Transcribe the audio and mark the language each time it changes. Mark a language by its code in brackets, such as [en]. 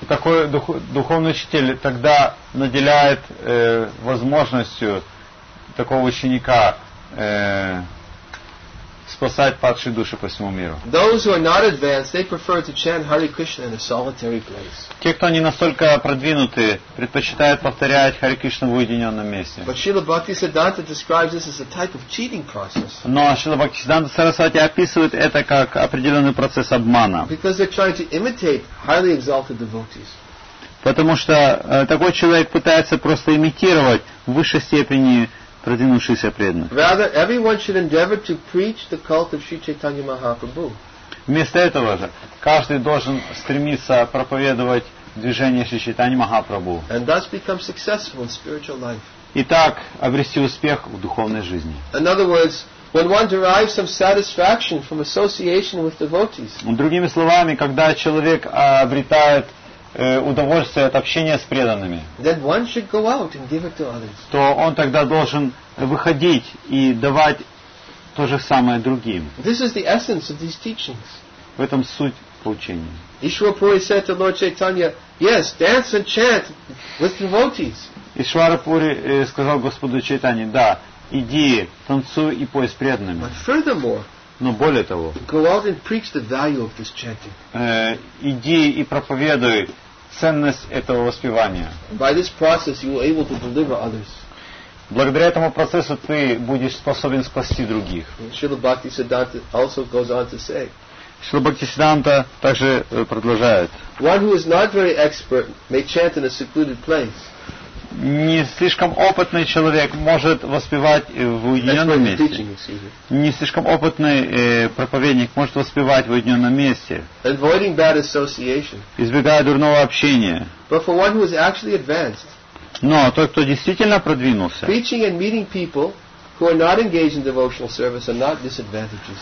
[ru] Такой духовный учитель тогда наделяет возможностью такого ученика спасать падшие души по всему миру. [en] Those who are not advanced, they prefer to chant Hare Krishna in a solitary place. [ru] Те, кто не настолько продвинуты, предпочитают повторять Харе Кришну в уединенном месте. [en] But Srila Bhaktisiddhanta describes this as a type of cheating process. [ru] Но Srila Bhaktisiddhanta Sarasvati описывает это как определенный процесс обмана. [en] Because they're trying to imitate highly exalted devotees. [ru] Потому что такой человек пытается просто имитировать в высшей степени продвинувшиеся преданные. [en] Rather, everyone should endeavor to preach the cult of Sri Chaitanya Mahaprabhu. [ru] Вместо этого же, каждый должен стремиться проповедовать движение Шри Чайтаньи Махапрабху. [en] And thus become successful in spiritual life. [ru] И так обрести успех в духовной жизни. [en] In other words, when one derives some satisfaction from association with devotees. [ru] Другими словами, когда человек обретает удовольствие от общения с преданными, то он тогда должен выходить и давать то же самое другим. [en] This is the essence of these teachings. [ru] В этом суть поучения. [en] Ишварапури said to Lord Chaitanya, yes, dance and chant with devotees. [ru] Ишварапури сказал Господу Чайтанье, да, иди, танцуй и пой с преданными. [en] But furthermore, [ru] но более того, [en] go out and preach the value of this chanting. [ru] Иди и проповедуй ценность этого воспевания. [en] By this process you will able to deliver others. [ru] Благодаря этому процессу ты будешь способен спасти других. [en] Srila Bhaktisiddhanta also goes on to say. [ru] Srila Bhaktisiddhanta также продолжает. [en] One who is not very expert may chant in a secluded place. [ru] Не слишком опытный человек может воспевать в уединенном месте. Не слишком опытный проповедник может воспевать в уединенном месте. [en] Avoiding bad association. [ru] Избегая дурного общения. [en] But for one who is actually advanced. [ru] Но тот, кто действительно продвинулся. [en] Preaching and meeting people who are not engaged in devotional service are not disadvantages.